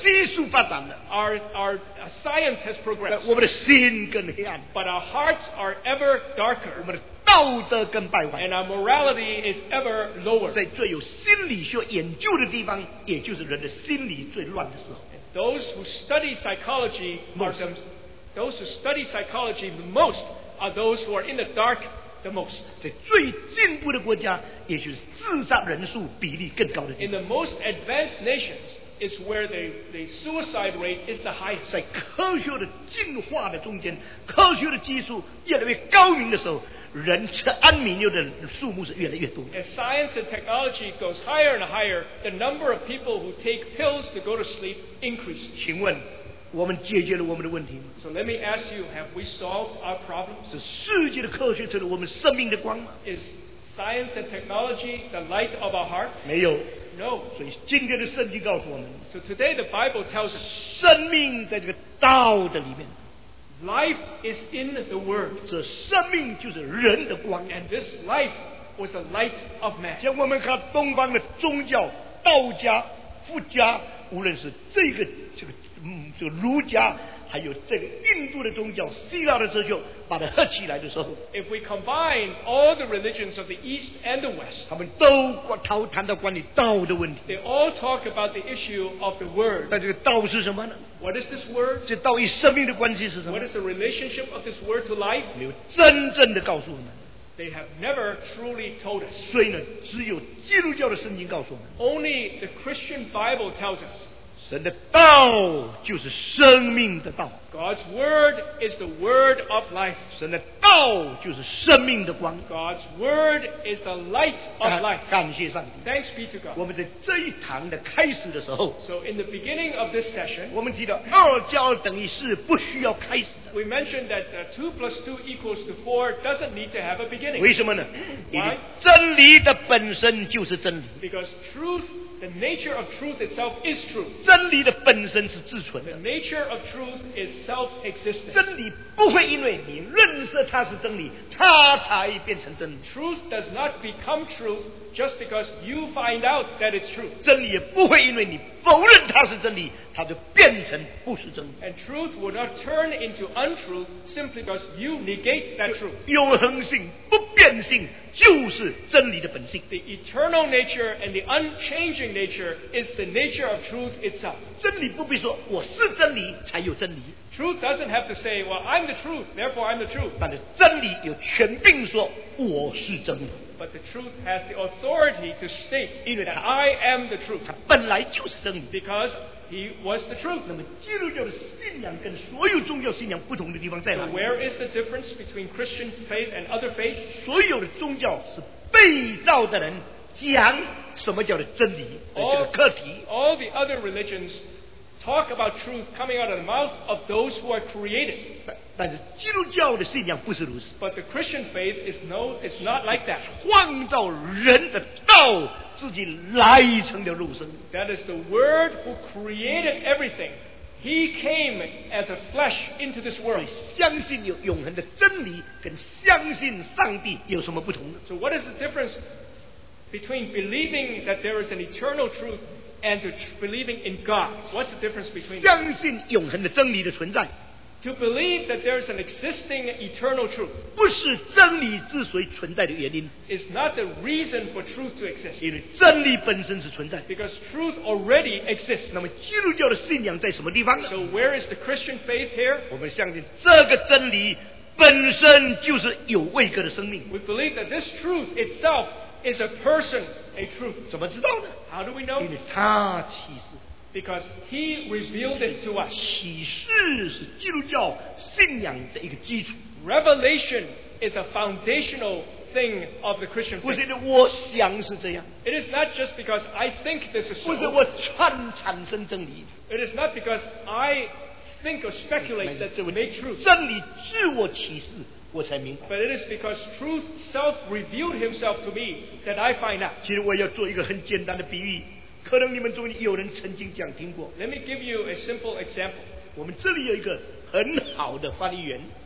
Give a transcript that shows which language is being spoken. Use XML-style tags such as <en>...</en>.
<zh>技术发展了</zh> <en>our science has progressed</en> <zh>我们的心更黑暗</zh> <en>but our hearts are ever darker</en> <zh>我们的道德更败坏</zh> <en>and our morality is ever lower</en> <zh>在最有心理学研究的地方也就是人的心理最乱的时候</zh> <en>those who study psychology those who study psychology the most are those who are in the dark the most</en> <zh>在最进步的国家也就是自杀人数比例更高的地方</zh> <en>in the most advanced nationsIs where the suicide rate is the highest.</en> <zh>在科学的进化的中间，科学的技术越来越高明的时候，人吃安眠药的数目是越来越多。</zh> <en>As science and technology goes higher and higher, the number of people who take pills to go to sleep increases.</en> <zh>请问，我们解决了我们的问题吗</zh> <en>？So let me ask you, have we solved our problems?</en> <zh>是世界的科学成了我们生命的光吗</zh> <en>？Is science and technology the light of our heart?</en> <zh>没有。</zh> <en>No.</en> <zh>所以今天的圣经告诉我们</zh> <en>So today the Bible tells us</en> <zh>生命在这个道的里面</zh> <en>Life is in the word</en> <zh>这生命就是人的光</zh> <en>And this life was the light of man</en> <zh>像我们看东方的宗教道家佛家无论是这个儒家还有这个印度的宗教希腊的哲学把它合起来的时候</zh> <en>If we combine all the religions of the East and the West</en> <zh>他们都谈到关于道的问题</zh> <en>They all talk about the issue of the word</en> <zh>但这个道是什么呢</zh> <en>What is this word?</en> <zh>这道与生命的关系是什么</zh> <en>What is the relationship of this word to life?</en> <zh>没有真正的告诉我们</zh> <en>They have never truly told us</en> <zh>所以呢只有基督教的圣经告诉我们</zh> <en>Only the Christian Bible tells us</en> <zh>神的道就是生命的道。</zh> <en>God's word is the word of life.</en> <zh>神的道就是生命的光。</zh> <en>God's word is the light of life.</en> <zh>感谢上帝。</zh> <en>Thanks be to God.</en> <zh>我们在这一堂的开始的时候</zh> <en>So in the beginning of this session,</en> <zh>我们提到二加二等于四不需要开始的。</zh> <en>We mentioned that 2 + 2 = 4 doesn't need to have a beginning.</en> <zh>为什么呢？</zh> <en>Why?</en> <zh>因为真理的本身就是真理。</zh> <en>Because truth, the nature of truth itself is truth.</en> <zh>真理的本身是自存的。</zh> <en>The nature of truth is self-existence.</en> <zh>真理不会因为你认识它是真理，它才变成真理。</zh> <en>Truth does not become truth just because you find out that it's true.</en> <zh>真理也不会因为你否认它是真理，它就变成不是真理。</zh> <en>And truth will not turn into untruth simply because you negate that truth.</en> <zh>永恒性、不变性就是真理的本性。</zh> <en>The eternal nature and the unchanging nature is the nature of truth itself.</en> <zh>真理不必说我是真理才有真理。</zh> <en>Truth doesn't have to say, well, I'm the truth, therefore I'm the truth.</en> <zh>但是真理有权柄说我是真理。</zh> <en>But the truth has the authority to state that I am the truth.</en> <zh>它本来就是真理。</zh> <en>Because he was the truth.</en> <zh>那么基督教的信仰跟所有宗教信仰不同的地方在哪里？</zh> <en>So where is the difference between Christian faith and other faith?</en> <zh>所有的宗教是被造的人讲什么叫的真理的这个课题。</zh> <en>All the other religions talk about truth coming out of the mouth of those who are created.</en> <zh>但是基督教的信仰不是如此。</zh> <en>But the Christian faith is not like that.</en> <zh>创造人的道自己来成的肉身。</zh> <en>That is the word who created everything. He came as a flesh into this world.</en> <zh>相信有永恒的真理跟相信上帝有什么不同呢？</zh> <en>So what is the difference between believing that there is an eternal truth and to believing in God? What's the difference between</en> <zh>相信永恒的真理的存在。</zh> <en>To believe that there is an existing eternal truth</en> <zh>不是真理之所以存在的原因</zh> <en>is not the reason for truth to exist</en> <zh>因为真理本身是存在</zh> <en>because truth already exists</en> <zh>那么基督教的信仰在什么地方呢</zh> <en>so where is the Christian faith here</en> <zh>我们相信这个真理本身就是有位格的生命</zh> <en>we believe that this truth itself is a person a truth</en> <zh>怎么知道呢</zh> <en>how do we know</en> <zh>因为它启示</zh> <en>Because he revealed it to us.</en> <zh>启示是基督教信仰的一个基础。</zh> <en>Revelation is a foundational thing of the Christian faith.</en> <zh>不是我想是这样,</zh> <en>it is not just because I think this is so.</en> <zh>不是我传产生真理,</zh> <en>it is not because I think or speculate that it may be true.</en> <zh>真理自我启示,</zh> <en>but it is because truth self revealed himself to me that I find out.</en> <zh>其实我要做一个很简单的比喻, 可能你们中间有人曾经这样听过,</zh> <en>let me give you a simple example.</en> <zh>我们这里有一个很好的翻译员,</zh>